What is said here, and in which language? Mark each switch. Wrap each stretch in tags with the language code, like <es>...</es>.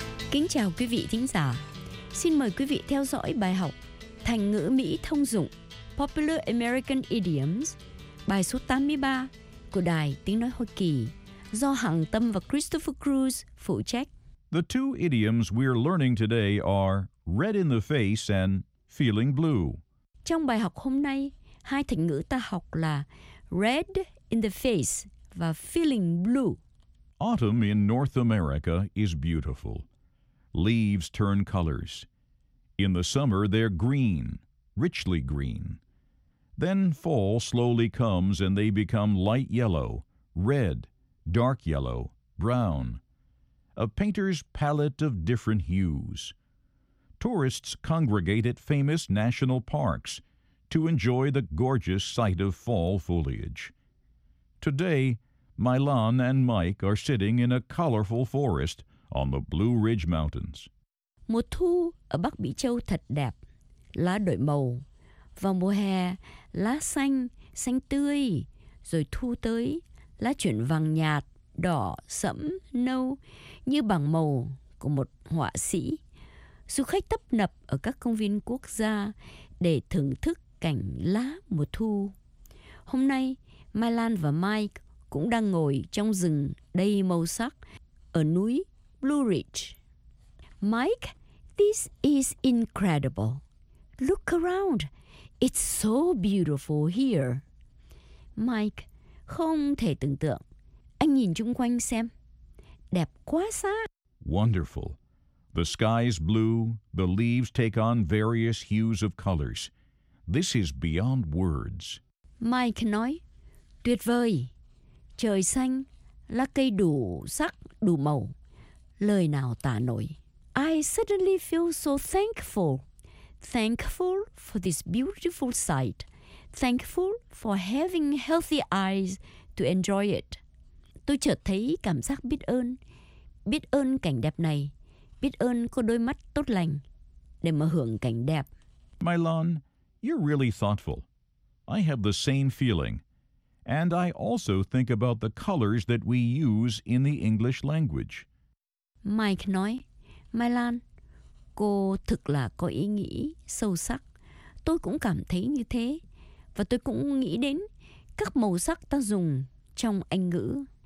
<vi>Kính chào quý vị thính giả. Xin mời quý vị theo dõi bài học Thành ngữ Mỹ thông dụng</vi> <en>Popular American Idioms,</en> <vi>bài số 83 của Đài Tiếng Nói Hoa Kỳ do Hằng Tâm và Christopher Cruz phụ trách.</vi> <en>The two idioms we're learning today are red in the face and feeling blue.</en> <vi>Trong bài học hôm nay, hai thành ngữ ta học là red in the face và feeling blue.</vi> <en>Autumn in North America is beautiful. Leaves turn colors. In the summer, they're green, richly green. Then fall slowly comes and they become light yellow, red, dark yellow, brown. A painter's palette of different hues. Tourists congregate at famous national parks to enjoy the gorgeous sight of fall foliage. Today, Mylon and Mike are sitting in a colorful forest on the Blue Ridge Mountains.</en> <vi>Mùa thu ở Bắc Mỹ Châu thật đẹp, lá đổi màu. Vào mùa hè, lá xanh, xanh tươi. Rồi thu tới, lá chuyển vàng nhạt, đỏ, sẫm, nâu, như bảng màu của một họa sĩ. Du khách tấp nập ở các công viên quốc gia để thưởng thức cảnh lá mùa thu. Hôm nay, Mai Lan và Mike cũng đang ngồi trong rừng đầy màu sắc ở núi Blue Ridge.</vi> <en>Mike, this is incredible. Look around. It's so beautiful here.</en> <vi>Mike, không thể tưởng tượng. Anh nhìn chung quanh xem. Đẹp quá xa.</vi> <en>Wonderful. The sky is blue. The leaves take on various hues of colors. This is beyond words.</en> <vi>Mike nói, tuyệt vời. Trời xanh, lá cây đủ sắc, đủ màu. Lời nào tả nổi.</vi> <en>I suddenly feel so thankful. Thankful for this beautiful sight. Thankful for having healthy eyes to enjoy it.</en> <vi>Tôi chợt thấy cảm giác biết ơn. Biết ơn cảnh đẹp này. Biết ơn có đôi mắt tốt lành để mà hưởng cảnh đẹp.</vi> <en>Mylon, you're really thoughtful. I have the same feeling. And I also think about the colors that we use in the English language.</en> <vi>Mike nói, Mai Lan, cô thực là có ý nghĩ sâu sắc. Tôi cũng cảm thấy như thế. Và tôi cũng nghĩ đến các màu sắc ta dùng trong Anh ngữ.</vi>